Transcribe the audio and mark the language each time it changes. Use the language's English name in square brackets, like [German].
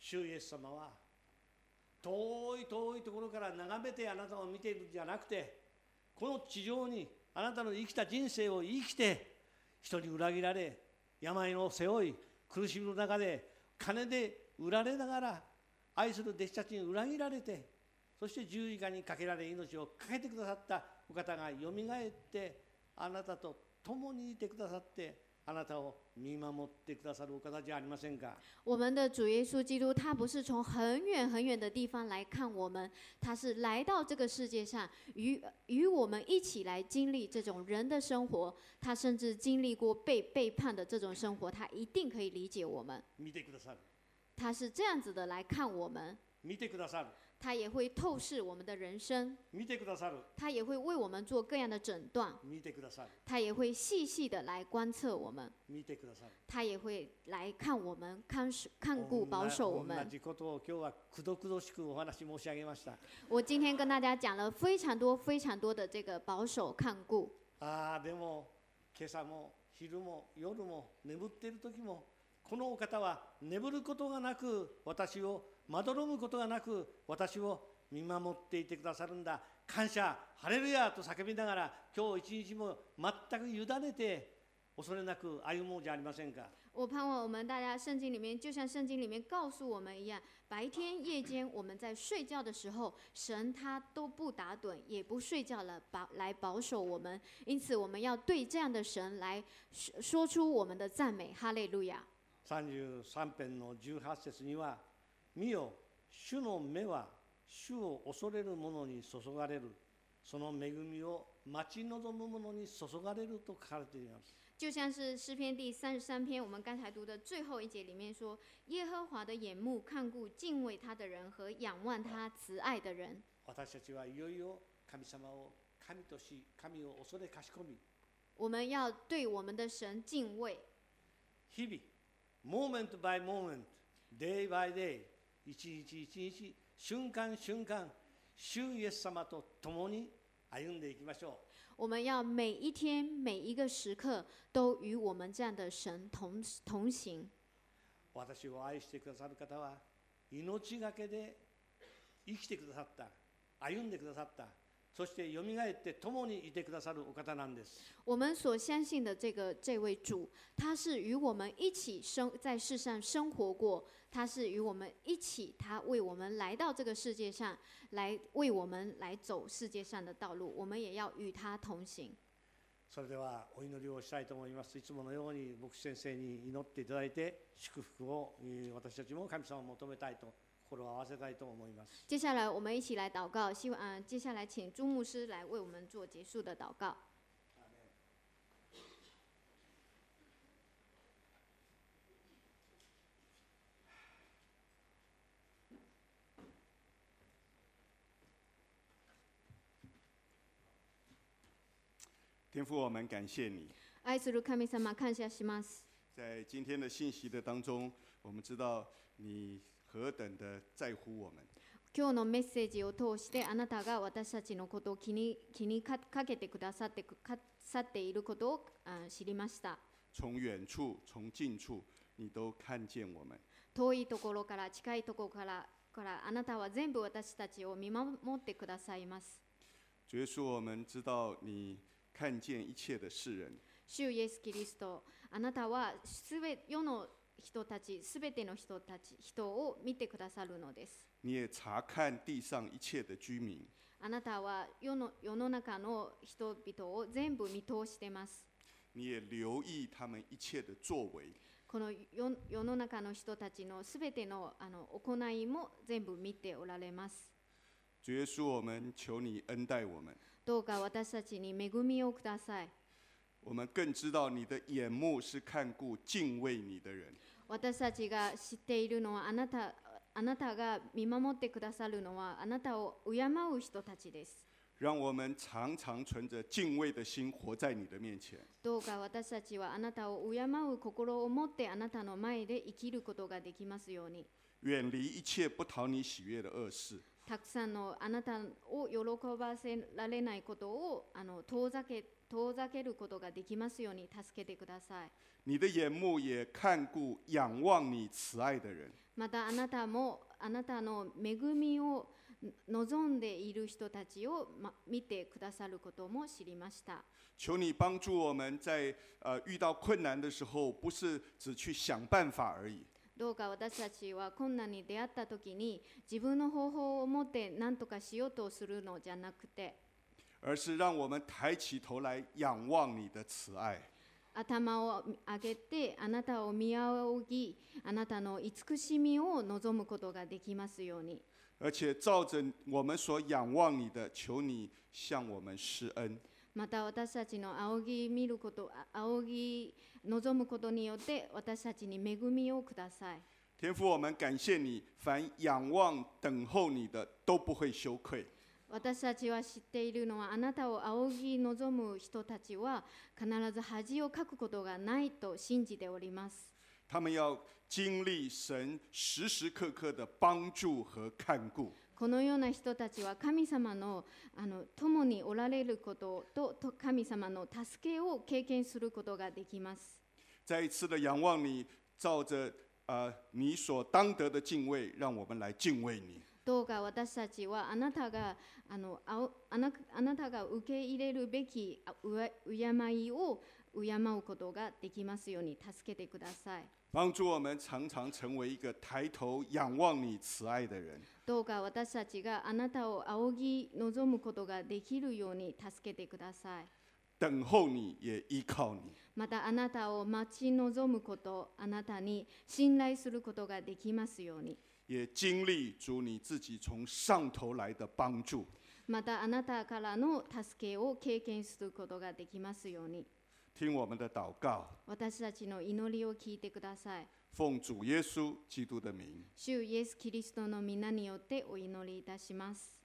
[Japanese] 主耶稣様は。遠い遠いところから眺めてあなたを見ているんじゃなくて、この地上にあなたの生きた人生を生きて、人に裏切られ、病を背負い、苦しみの中で金で売られながら、愛する弟子たちに裏切られて、そして十字架にかけられ命をかけてくださったお方がよみがえって、あなたと共にいてくださって、あなたを見守ってくださるお方じゃありませんか。 [Chinese] 我们的主耶稣基督，他不是从很远很远的地方来看我们，他是来到这个世界上，与我们一起来经历这种人的生活。他甚至经历过被背叛的这种生活，他一定可以理解我们。 [Japanese] 見てくださる。 [Chinese] 他是这样子的来看我们。 [Japanese] 見てくださる。 [Chinese] 他也会透视我们的人生。 [Japanese] 見てくださる。 [Chinese] 他也会为我们做各样的诊断。 [Japanese] 見てくださる。 [Chinese] 他也会细细的来观测我们。 [Japanese] 見てくださる。 [Chinese] 他也会来看我们，看顾保守我们。 [Japanese] 同じことを今日はくどくどしくお話申し上げました。 [Chinese] 我今天跟大家讲了非常多非常多的这个保守看顾。 [Japanese] ああでも今朝も昼も夜も眠っている時も、このお方は眠ることがなく私をまどろむことがなく私を見守っていてくださるんだ。感謝、ハレルヤと叫びながら今日一日も全く委ねて恐れなく歩もうじゃありませんか。 [Chinese] 我盼望我们大家圣经里面就像圣经里面告诉我们一样，白天夜间我们在睡觉的时候，神他都不打盹也不睡觉了，来保守我们。因此我们要对这样的神来说出我们的赞美，哈利路亚。 [Japanese] 33篇の18節には、見よ、主の目は主を恐れる者に注がれる、その恵みを待ち望む者に注がれると書かれています。 [Chinese] 就像是诗篇第三十三篇，我们刚才读的最后一节里面说，耶和华的眼目看顾敬畏他的人和仰望他慈爱的人。 [Japanese] 私たちはいよいよ神様を神とし、神を恐れかしこみ。 [Chinese] 我们要对我们的神敬畏。 [Japanese] 日々、 [English] moment by moment、 day by day、 [Japanese] 一日一日、瞬間瞬間、主イエス様と共に歩んでいきましょう。 [Chinese] 我们要每一天每一个时刻都与我们这样的神 同行。 [Japanese] 私を愛してくださる方は命がけで生きてくださった、歩んでくださった、そしてよみがえって共にいてくださるお方なんです。 [Chinese] 我们所相信的 这位主他是与我们一起生在世上生活过，他是与我们一起，他为我们来到这个世界上，来为我们来走世界上的道路，我们也要与他同行。 [Japanese] それではお祈りをしたいと思います。いつものように牧師先生に祈っていただいて祝福を私たちも神様を求めたいと心を合わせたいと思います。 [Chinese] 接下来我们一起来祷告，希望接下来请朱牧师来为我们做结束的祷告。天父，我们感谢你。 [Japanese] 愛する神様、感謝します。 [Chinese] 在今天的信息的当中，我们知道你何等的在乎我们。 [Japanese] 今日のメッセージを通して、あなたが私たちのことを気にかけてくださって、かさっていることを知りました。 [Chinese] 从远处、从近处，你都看见我们。 [Japanese] 遠いところから、近いところから、あなたは全部私たちを見守ってくださいます。 [Chinese] 主耶稣，我们知道你看见一切的世人。 [Japanese] 主イエスキリスト、あなたは世の人たち、すべての人たち、人を見てくださるのです。 [Chinese] 你也查看地上一切的居民。 [Japanese] あなたは世の中の人々を全部見通してます。 [Chinese] 你也留意他们一切的作为。 [Japanese] この世の中の人たちのすべて の行いも全部見ておられます。 [Chinese] 主耶稣，我们求你恩待我们。 [Japanese] どうか私たちに恵みをください。 [Chinese] 我们更知道你的眼目是看顾敬畏你的人。 [Japanese] 私たちが知っているのはあなたが見守ってくださるのはあなたを敬う人たちです。 [Chinese] 让我们常常存着敬畏的心活在你的面前。 [Japanese] どうか私たちはあなたを敬う心を持ってあなたの前で生きることができますように。 [Chinese] 远离一切不讨你喜悦的恶事。 [Japanese] たくさんのあなたを喜ばせられないことを遠ざけることができますように助けてください。 [Chinese] 你的眼目也看顾仰望你慈爱的人。 [Japanese] またあなたもあなたの恵みを望んでいる人たちを見てくださることも知りました。 [Chinese] 求你帮助我们在遇到困难的时候，不是只去想办法而已。 [Japanese] どうか私たちは困難に出会った時に自分の方法を持って何とかしようとするのじゃなくて、 [Chinese] 而是让我们抬起头来仰望你的慈爱。 [Japanese] 頭を上げてあなたを見仰ぎ、あなたの慈しみを望むことができますように。 [Chinese] 而且照着我们所仰望你的，求你向我们施恩。 [Japanese] また私たちの仰ぎ見ること、仰ぎ望むことによって私たちに恵みをください。 [Chinese] 天父、我们感谢你，凡仰望等候你的都不会羞愧。 [Japanese] 私たちは知っているのはあなたを仰ぎ望む人たちは必ず恥をかくことがないと信じております。 [Chinese] 他们要经历神时时刻刻的帮助和看顾。 [Japanese] このような人たちは神様の共におられること と神様の助けを経験することができます。 [Chinese] 再一次的仰望你，照着你所当得的敬畏，让我们来敬畏你。 [Japanese] どうか私たちはあなたが あなたが受け入れるべき敬いを敬うことができますように助けてください。 [Chinese] 帮助我们常常成为一个抬头仰望你慈爱的人。 [Japanese] どうか私たちがあなたを仰ぎ望むことができるように助けてください。 [Chinese] 等候你也依靠你。 [Japanese] またあなたを待ち望むこと、あなたに信頼することができますように。 [Chinese] 也经历主你自己从上头来的帮助。 [Japanese] またあなたからの助けを経験することができますように。 [Chinese] 听我们的祷告。 [Japanese] 私たちの祈りを聞いてください。 [Chinese] 奉主耶稣基督的名。 [Japanese] 主イエスキリストの名によってお祈りいたします。